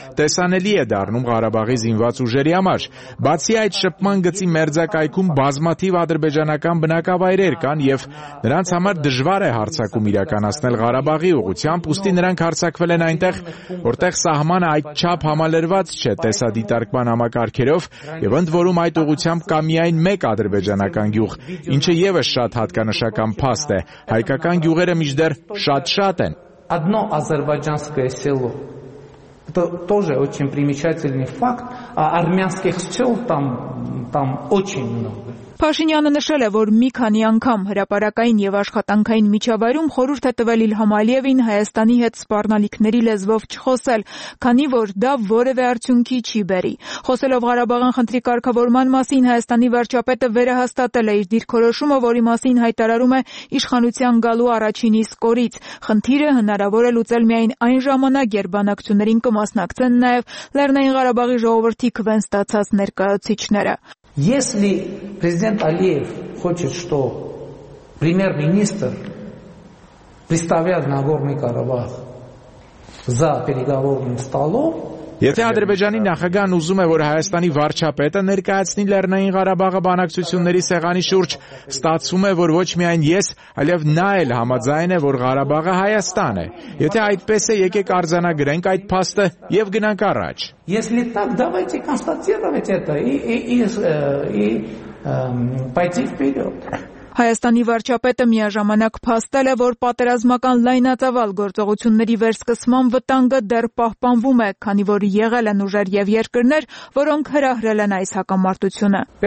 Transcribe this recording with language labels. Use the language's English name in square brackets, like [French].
[Armenian] տեսանելի է դառնում Ղարաբաղի զինված ուժերի համար։ Բացի այդ, շփման գծի մերձակայքում բազմաթիվ ադրբեջանական բնակավայրեր կան և նրանց համար դժվար է հարձակում իրականացնել Ղարաբաղի ուղությամբ, ուստի նրանք հարձակվել են այնտեղ, որտեղ սահմանը այդչափ համալրված չէ տեսադիտարկման համակարգերով, և ընդ որում այդ ուղությամբ կա միայն մեկ ադրբեջանական գյուղ, ինչը ևս շատ հատկանշական փաստ է։ Հայկական գյուղերը միջդեռ շատ-շատ են։ [Russian] Одно азербайджанское село. Это тоже очень примечательный факт, а армянских сёл там очень много. [Armenian] Փաշինյանը նշել է, որ մի քանի անգամ հրապարակային և աշխատանքային միջավայրում խորհուրդ է տվել Իլհամ Ալիևին Հայաստանի հետ սպառնալիքների լեզվով չխոսել, քանի որ դա որևէ արդյունքի չի բերի։ Խոսելով Ղարաբաղյան խնդրի կարգավորման մասին, Հայաստանի վարչապետը վերահաստատել է իր դիրքորոշումը, որի մասին հայտարարում է իշխանության գալու առաջին իսկ օրից։ Խնդիրը հնարավոր է լուծել միայն այն ժամանակ, երբ բանակցություններին կմասնակցեն նաև Լեռնային Ղարաբաղի ժողովրդի քվեն ստացած ներկայացուցիչները։ [Russian] Если президент Алиев хочет, что премьер-министр представлял Нагорный Карабах за переговорным столом, [Armenian] Եթե Ադրբեջանի նախագահն ուզում է, որ Հայաստանի վարչապետը ներկայացնի Լեռնային Ղարաբաղի բանակցությունների սեղանի շուրջ, ստացվում է, որ ոչ միայն ես, այլև նա էլ համաձայն է, որ Ղարաբաղը Հայաստան է։ Եթե այդպես է, եկեք արձանագրենք այդ փաստը եւ գնանք առաջ։ [Russian] Если так, давайте констатировать это и пойти вперёд. [Armenian] Հայաստանի վարչապետը միաժամանակ փաստել է, որ պատերազմական լայնածավալ գործողությունների վերսկսման վտանգը դեռ պահպանվում է, քանի որ եղել են ուժեր եւ երկրներ, որոնք հրահրել են այս հակամարտությունը։